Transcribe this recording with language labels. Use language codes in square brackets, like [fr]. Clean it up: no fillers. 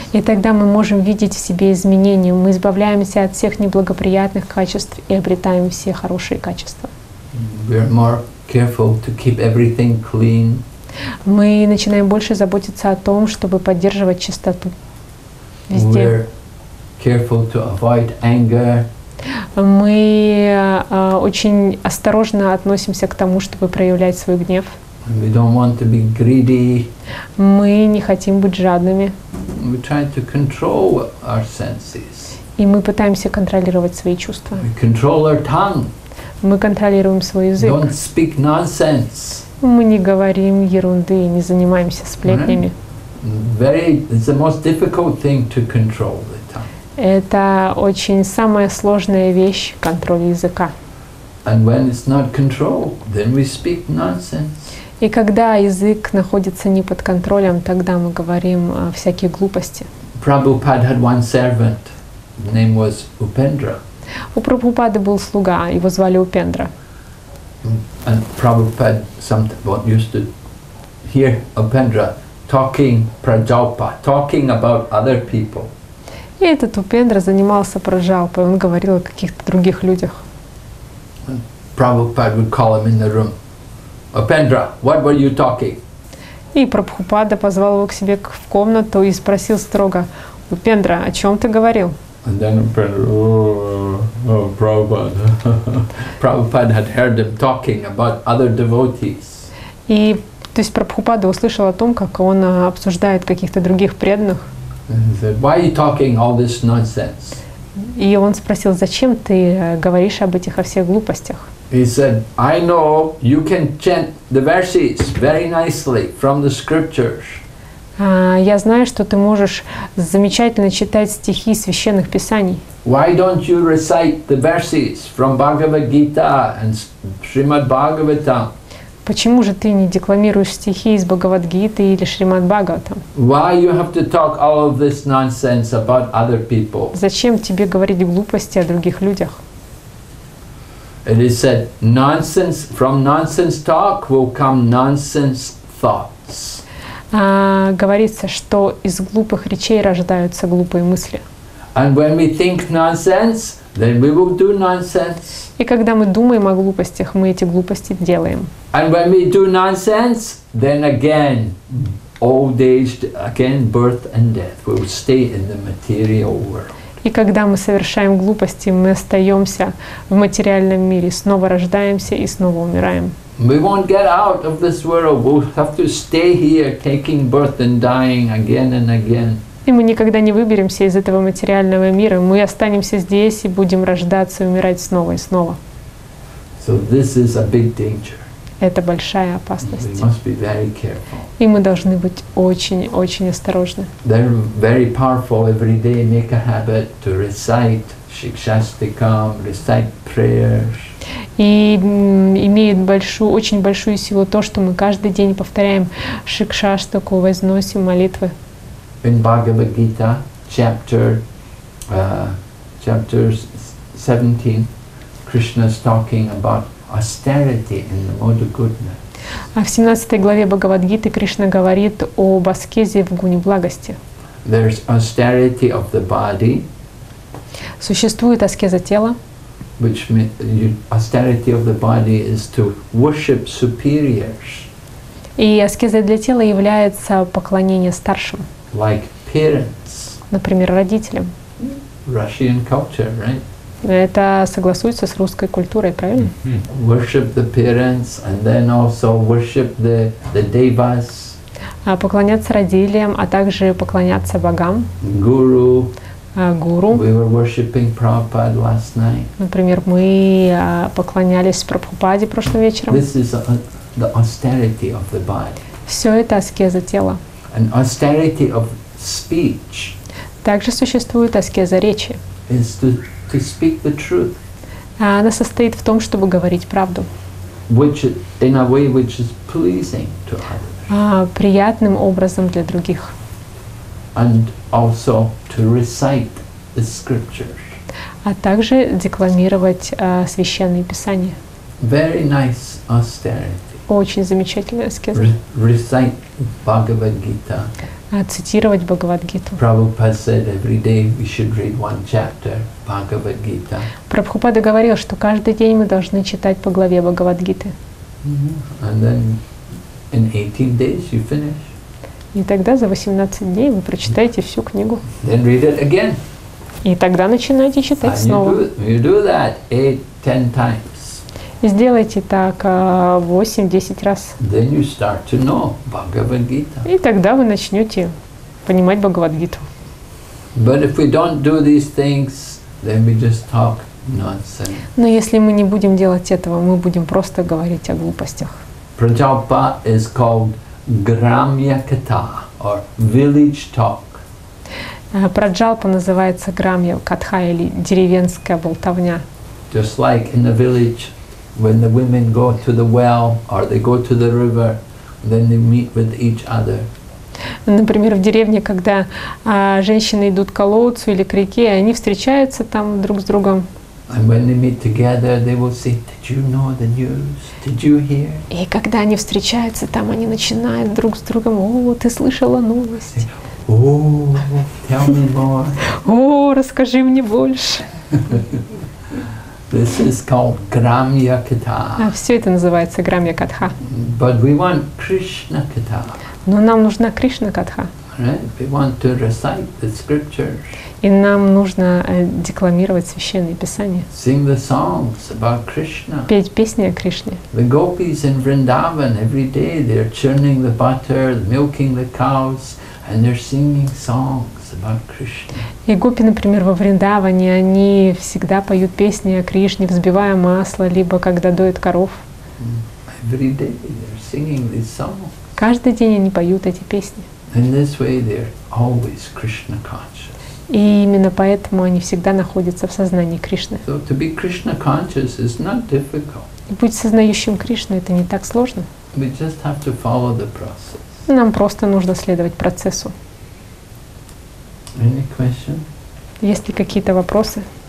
[ru] И тогда мы можем видеть в себе изменения. Мы избавляемся от всех неблагоприятных качеств и обретаем все хорошие качества. [en] we're more careful to keep everything clean. [ru] Мы начинаем больше заботиться о том, чтобы поддерживать чистоту везде. [en] We're careful to avoid anger. [ru] Мы очень осторожно относимся к тому, чтобы проявлять свой гнев. [en] We don't want to be greedy. [ru] Мы не хотим быть жадными. [en] We try to control our senses. [ru] И мы пытаемся контролировать свои чувства. [en] We control our tongue. [ru] Мы контролируем свой язык. [en] Don't speak nonsense. [ru] Мы не говорим ерунды и не занимаемся сплетнями. [en] It's the most difficult thing to control the tongue. [ru] Это очень самая сложная вещь – контроль языка. [en] And when it's not controlled, then we speak nonsense. [ru] И когда язык находится не под контролем, тогда мы говорим всякие глупости. [en] Prabhupada had one servant. Name was Upendra. [ru] У Прабхупады был слуга, его звали Упендра. [en] And Prabhupada sometimes used to hear Upendra talking prajalpa, talking about other people. [ru] И этот Упендра занимался праджалпой, он говорил о каких-то других людях. [en] And Prabhupada would call him in the room. Upendra, what were you talking? [ru] И Прабхупада позвал его к себе в комнату и спросил строго: Упендра, о чем ты говорил? [en] And then Upendra, Prabhupada. Prabhupada had heard him talking about other devotees. [ru] И то есть Прабхупада услышал о том, как он обсуждает каких-то других преданных. [en] And he said, why are you talking all this nonsense? [ru] И он спросил, зачем ты говоришь об этих о всех глупостях? [en] He said, I know you can chant the verses very nicely from the scriptures. [ru] Я знаю, что ты можешь замечательно читать стихи священных писаний. [en] Why don't you recite the verses from Bhagavad Gita and Srimad Bhagavatam? [ru] Почему же ты не декламируешь стихи из Бхагавад Гиты или Шримад Бхагаватам? [en] Why you have to talk all of this nonsense about other people? [ru] Зачем тебе говорить глупости о других людях? [en] It is said, nonsense from nonsense talk will come nonsense thoughts. [ru] Говорится, что из глупых речей рождаются глупые мысли. [en] And when we think nonsense, then we will do nonsense. [ru] И когда мы думаем о глупостях, мы эти глупости делаем. [en] And when we do nonsense, then again, old age, again, birth and death will stay in the material world. [ru] И когда мы совершаем глупости, мы остаемся в материальном мире, снова рождаемся и снова умираем. [en] We won't get out of this world. We'll have to stay here, taking birth and dying again and again. [ru] И мы никогда не выберемся из этого материального мира. Мы останемся здесь и будем рождаться и умирать снова и снова. [en] So this is a big danger. [ru] Это большая опасность. [en] We must be very careful. [ru] И мы должны быть очень-очень осторожны. [en] They're very powerful. Every day make a habit to recite Shikshastikam, recite prayers. [ru] И имеет большую, очень большую силу то, что мы каждый день повторяем Шикшаштаку, возносим молитвы. [en] In Bhagavad Gita, chapter 17, Krishna is talking about austerity in the mode of goodness. [ru] А в 17 главе Бхагавадгиты Кришна говорит об аскезе в гуне благости. [en] There's austerity of the body. [ru] Существует аскеза тела. [en] Which means austerity of the body is to worship superiors. [ru] И аскеза для тела является поклонение старшим. [en] Like parents. [ru] Например, родителям. [en] Russian culture, right? [ru] Это согласуется с русской культурой, правильно? Mm-hmm. [en] Worship the parents and then also worship the devas. [ru] Поклоняться родителям, а также поклоняться богам. [en] Guru. [ru] Гуру. [en] We were worshiping Prabhupada last night. [ru] Например, мы поклонялись Прабхупаде прошлым вечером. [en] This is the austerity of the body. [ru] Все это аскеза тела. [en] And austerity of speech. [ru] Также существует аскеза речи. [en] Is to speak the truth. [ru] Она состоит в том, чтобы говорить правду. [en] Which in a way which is pleasing to others. [ru] Приятным образом для других. [en] And also to recite the scriptures. [ru] А также декламировать священные писания. [en] Very nice austerity. [ru] Очень замечательная аскеза. [en] Recite Bhagavad Gita. [ru] цитировать Бхагавад-гиту. [en] Prabhupada said every day we should read one chapter Bhagavad Gita. [ru] Прабхупада говорил, что каждый день мы должны читать по главе Бхагавад-гиты. [en] Mm-hmm. And then in 18 days you finish. [ru] И тогда за 18 дней вы прочитаете всю книгу. [en] Then read it again. [ru] И тогда начинаете читать [en] and [ru] снова. [en] You do that 8-10 times. [ru] И сделайте так 8-10 раз. [en] Then you start to know Bhagavad Gita. [ru] И тогда вы начнете понимать Бхагавад-гиту. [en] But if we don't do these things, then we just talk nonsense. [ru] Но если мы не будем делать этого, мы будем просто говорить о глупостях. [en] Prabhupada is called Грамья Ката, or village talk. [ru] Праджалпа называется Грамья Катха, или деревенская болтовня. [en] Just like in the village, when the women go to the well or they go to the river, then they meet with each other. [ru] Например, в деревне, когда женщины идут к колодцу или к реке, они встречаются там друг с другом. [en] And when they meet together, they will say, "Did you know the news? Did you hear?" [ru] И когда они встречаются, там они начинают друг с другом: "О, ты слышала новости?" [en] "Oh, tell me more." [ru] "О, расскажи мне больше." [en] This is called Gramya Katha. [ru] А все это называется Грамья Катха. [en] But we want Krishna Katha. [ru] Но нам нужна Кришна Катха. [en] Right? We want to recite the scriptures. [ru] И нам нужно декламировать священные писания. [en] Sing the songs about Krishna. [ru] Петь песни о Кришне. [en] The gopis in Vrindavan every day they're churning the butter, milking the cows, and they're singing songs about Krishna. [ru] И гопи, например, во Вриндаване, они всегда поют песни о Кришне, взбивая масло, либо когда доят коров. [en] Every day they're singing these songs. [ru] Каждый день они поют эти песни. [en] In this way they're always Krishna conscious. [ru] И именно поэтому они всегда находятся в сознании Кришны. [en] So to be Krishna conscious is not difficult. [ru] И быть сознающим Кришну — это не так сложно. [en] We just have to follow the process. [ru] Нам просто нужно следовать процессу. [en] Any questions? [ru] Есть ли какие-то вопросы?